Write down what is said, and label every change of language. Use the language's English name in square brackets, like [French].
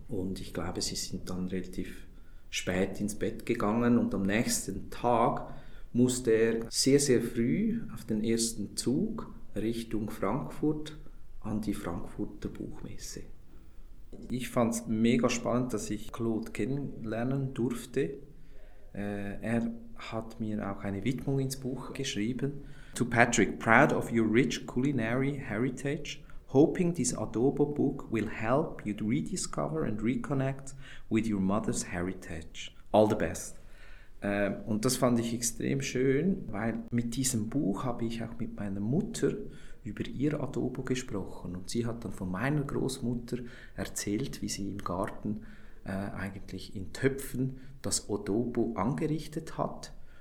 [German] Und ich glaube, sie sind dann relativ spät ins Bett gegangen und am nächsten Tag musste er sehr, sehr früh auf den ersten Zug Richtung Frankfurt an die Frankfurter Buchmesse. Ich fand es mega spannend, dass ich Claude kennenlernen durfte. Er hat mir auch eine Widmung ins Buch geschrieben. [English] To Patrick, proud of your rich culinary heritage, hoping this Adobo book will help you to rediscover and reconnect with your mother's heritage. All the best. [German] Und das fand ich extrem schön, weil mit diesem Buch habe ich auch mit meiner Mutter über ihr Adobo gesprochen. Und sie hat dann von meiner Großmutter erzählt, wie sie im Garten eigentlich in Töpfen das Adobo angerichtet hat.